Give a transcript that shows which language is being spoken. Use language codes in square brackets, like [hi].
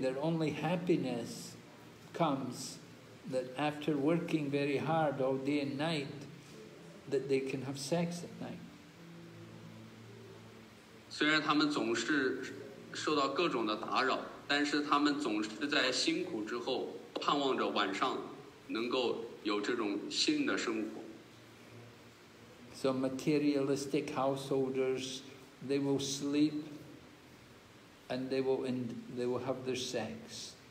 [en] Their only happiness comes that after working very hard all day and night, that they can have sex at night. [zh] 虽然他们总是受到各种的打扰，但是他们总是在辛苦之后盼望着晚上能够有这种性的生活。 [en] So materialistic householders, they will sleep and they will have their sex.